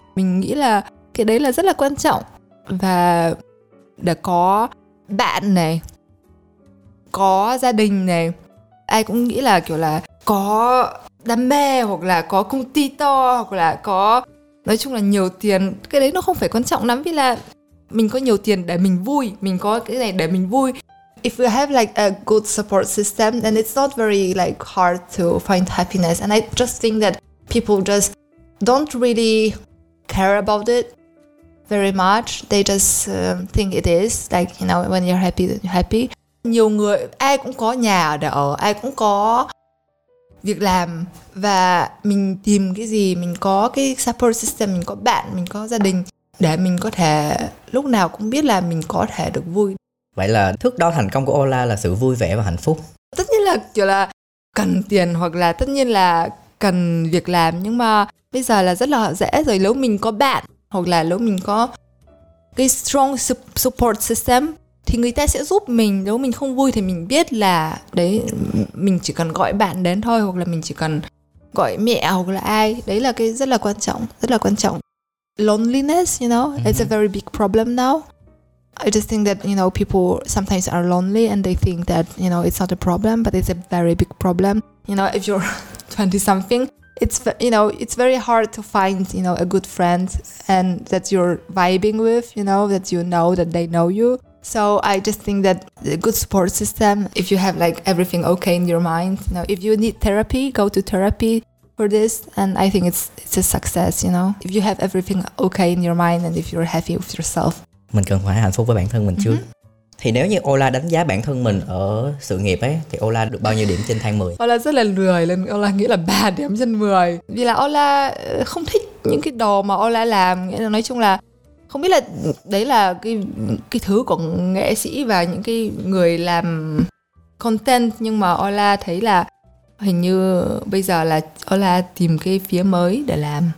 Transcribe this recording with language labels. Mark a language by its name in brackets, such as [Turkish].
[Vietnamese] Mình nghĩ là cái đấy là rất là quan trọng. Và để có bạn này, có gia đình này, ai cũng nghĩ là kiểu là có đam mê, hoặc là có công ty to, hoặc là có, nói chung là nhiều tiền. Cái đấy nó không phải quan trọng lắm. Vì là mình có nhiều tiền để mình vui, mình có cái này để mình vui. [English] If you have like a good support system, then it's not very like hard to find happiness. And I just think that people just don't really care about it very much. They just think it is like, you know, when you're happy, then you're happy. [Vietnamese] Nhiều người, ai cũng có nhà để ở, ai cũng có việc làm, và mình tìm cái gì, mình có cái support system, mình có bạn, mình có gia đình, để mình có thể lúc nào cũng biết là mình có thể được vui. Vậy là thước đo thành công của Ola là sự vui vẻ và hạnh phúc. Tất nhiên là kiểu là cần tiền, hoặc là tất nhiên là cần việc làm. Nhưng mà bây giờ là rất là dễ rồi. Nếu mình có bạn, hoặc là nếu mình có cái strong support system, thì người ta sẽ giúp mình. Nếu mình không vui thì mình biết là đấy, mình chỉ cần gọi bạn đến thôi, hoặc là mình chỉ cần gọi mẹ hoặc là ai. Đấy là cái rất là quan trọng, rất là quan trọng. [English] Loneliness, you know, it's a very big problem now. I just think that, you know, people sometimes are lonely and they think that, you know, it's not a problem, but it's a very big problem. You know, if you're 20 something, it's, you know, it's very hard to find, you know, a good friend and that you're vibing with, you know that they know you. So I just think that a good support system, if you have like everything okay in your mind, you know, if you need therapy, go to therapy for this, and I think it's a success, you know. If you have everything okay in your mind and if you're happy with yourself. [Vietnamese] Mình cần phải hạnh phúc với bản thân mình trước. Thì nếu như Ola đánh giá bản thân mình ở sự nghiệp ấy, thì Ola được bao nhiêu điểm trên thang 10? Ola rất là lười, nên Ola nghĩ là 3 điểm trên 10. Vì là Ola không thích những cái đồ mà Ola làm, nghĩa là nói chung là không biết là đấy là cái thứ của nghệ sĩ và những cái người làm content, nhưng mà Ola thấy là hình như bây giờ là Ola tìm cái phía mới để làm.